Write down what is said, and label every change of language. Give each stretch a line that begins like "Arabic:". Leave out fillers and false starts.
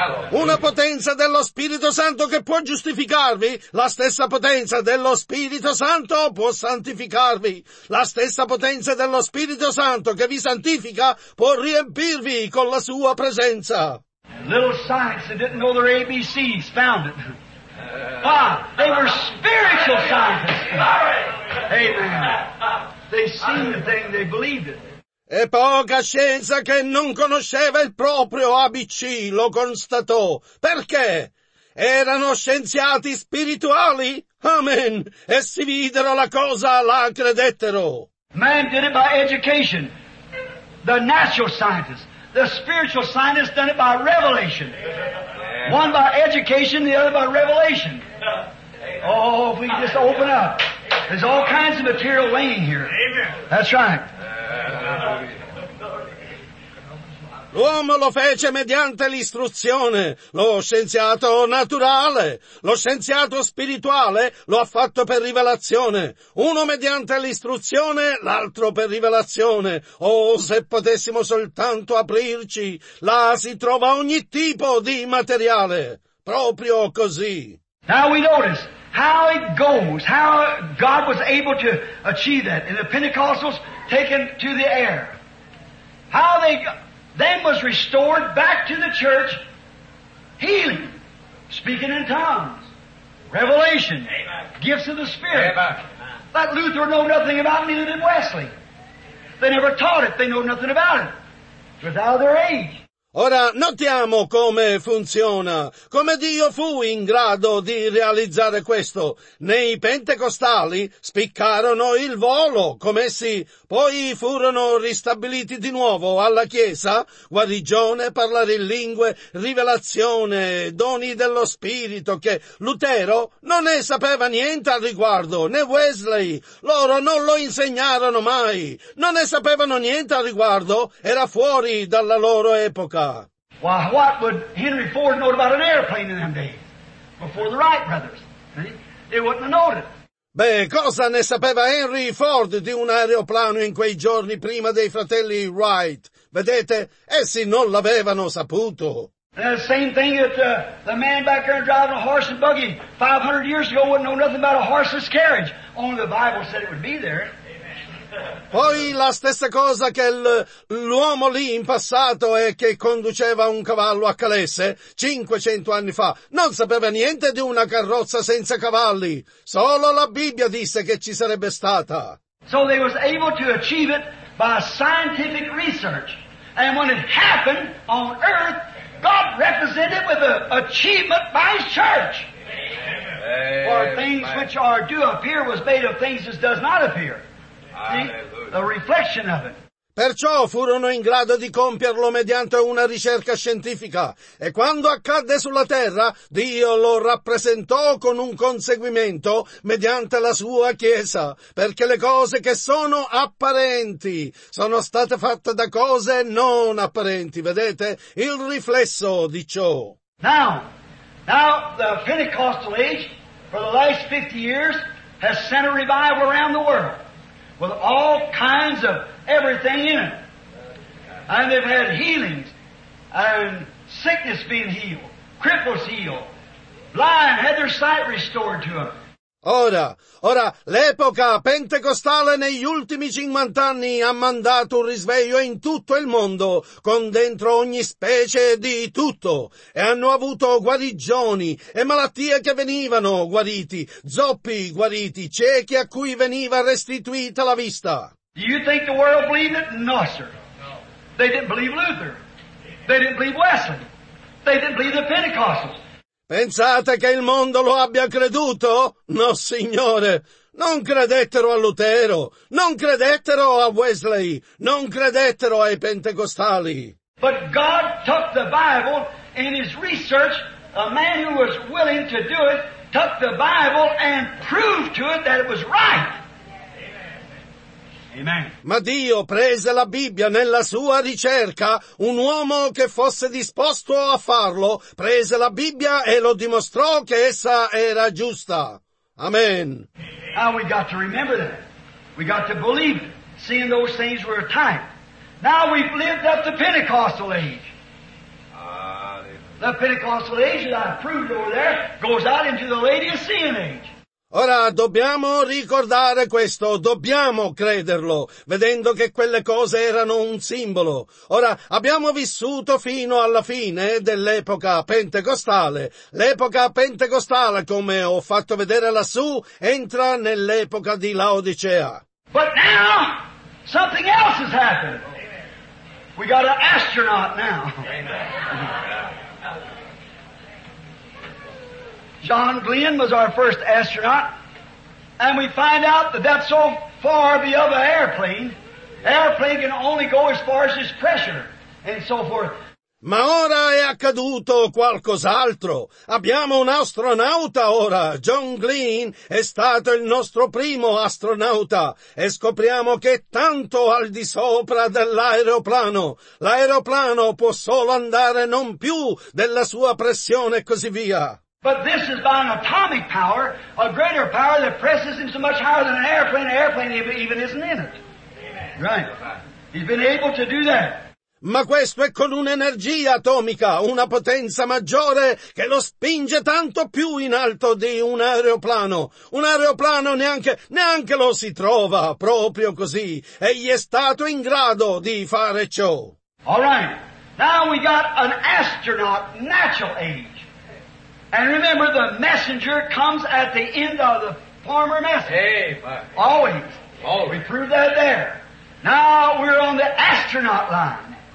Italian: Una potenza dello Spirito Santo che può giustificarvi, la stessa potenza dello Spirito Santo può santificarvi. La stessa potenza dello Spirito Santo che vi santifica può riempirvi con la sua presenza.
English: Little science that didn't know their ABCs found it. Wow, they were spiritual scientists. Amen. They seen the thing, they believed it.
Italian: E poca scienza che non conosceva il proprio ABC lo constatò. Perché? Erano scienziati spirituali? Amen. Essi videro la cosa, la credettero.
English: Man did it by education. The natural scientist. The spiritual scientist done it by revelation. One by education, the other by revelation. Oh, if we just open up. There's all kinds of material laying here. That's right.
Italian: L'uomo lo fece mediante l'istruzione, lo scienziato naturale, lo scienziato spirituale lo ha fatto per rivelazione, uno mediante l'istruzione, l'altro per rivelazione, oh se potessimo soltanto aprirci, là si trova ogni tipo di materiale, proprio così.
English: Now we notice how it goes, how God was able to achieve that in the Pentecostals taken to the air. How they then was restored back to the church, healing, speaking in tongues, revelation, Amen. Gifts of the Spirit. Amen. That Luther know nothing about, neither did Wesley. They never taught it, they know nothing about it. It was out of their age.
Italian: Ora, notiamo come funziona, come Dio fu in grado di realizzare questo. Nei pentecostali spiccarono il volo, come essi poi furono ristabiliti di nuovo alla Chiesa, guarigione, parlare in lingue, rivelazione, doni dello Spirito, che Lutero non ne sapeva niente al riguardo, né Wesley, loro non lo insegnarono mai, non ne sapevano niente al riguardo, era fuori dalla loro epoca.
English: Why, what would Henry Ford know about an airplane in them days? Before the Wright brothers. They wouldn't have known it.
Italian: Beh, cosa ne sapeva Henry Ford di un aeroplano in quei giorni prima dei fratelli Wright? Vedete, essi non l'avevano saputo.
English: And the same thing that the man back there driving a horse and buggy 500 years ago wouldn't know nothing about a horseless carriage. Only the Bible said it would be there.
Italian: Poi la stessa cosa che l'uomo lì in passato e che conduceva un cavallo a calesse 500 anni fa non sapeva niente di una carrozza senza cavalli, solo la Bibbia disse che ci sarebbe stata.
English: So they was able to achieve it by scientific research, and when it happened on earth, God represented with an achievement by his church. For things which are do appear was made of things which does not appear. See, the reflection of it.
Italian: Perciò furono in grado di compierlo mediante una ricerca scientifica, e quando accadde sulla terra, Dio lo rappresentò con un conseguimento mediante la sua Chiesa, perché le cose che sono apparenti sono state fatte da cose non apparenti. Vedete il riflesso di ciò.
English: Now the Pentecostal age for the last 50 years has sent a revival around the world with all kinds of everything in it. And they've had healings and sickness being healed, cripples healed, blind had their sight restored to them.
Italian: Ora, l'epoca pentecostale negli ultimi 50 anni ha mandato un risveglio in tutto il mondo, con dentro ogni specie di tutto, e hanno avuto guarigioni e malattie che venivano guariti, zoppi guariti, ciechi a cui veniva restituita la vista.
English: Do you think the world believed it? No, sir. They didn't believe Luther. They didn't believe Wesley. They didn't believe the Pentecostals.
Italian: Pensate che il mondo lo abbia creduto? No, signore. Non credettero a Lutero. Non credettero a Wesley. Non credettero ai pentecostali.
English: But God took the Bible in his research, a man who was willing to do it, took the Bible and proved to it that it was right. Amen.
Italian: Ma Dio prese la Bibbia nella sua ricerca, un uomo che fosse disposto a farlo, prese la Bibbia e lo dimostrò che essa era giusta. Amen.
English: Now we got to remember that. We got to believe it, seeing those things were a type. Now we've lived up the Pentecostal age. The Pentecostal age that I've proved over there goes out into the Laodicean age.
Italian: Ora dobbiamo ricordare questo, dobbiamo crederlo, vedendo che quelle cose erano un simbolo. Ora abbiamo vissuto fino alla fine dell'epoca pentecostale. L'epoca pentecostale, come ho fatto vedere lassù, entra nell'epoca di Laodicea.
English: But now something else has happened. We got an astronaut now. John Glenn was our first astronaut, and we find out that that's so far beyond an airplane. Airplane can only go as far as its pressure, and so forth.
Italian: Ma ora è accaduto qualcos'altro. Abbiamo un astronauta ora. John Glenn è stato il nostro primo astronauta e scopriamo che è tanto al di sopra dell'aeroplano. L'aeroplano può solo andare non più della sua pressione e così via.
English: But this is by an atomic power, a greater power that presses him so much higher than an airplane. An airplane even isn't in it. Amen. Right. He's been able to do that.
Italian: Ma questo è con un'energia atomica, una potenza maggiore che lo spinge tanto più in alto di un aeroplano. Un aeroplano neanche lo si trova proprio così. Egli è stato in grado di fare ciò.
English: All right. Now we got an astronaut natural age. And remember, the messenger comes at the end of the former message. Hey, always. Always. We proved that there. Now we're on the astronaut line.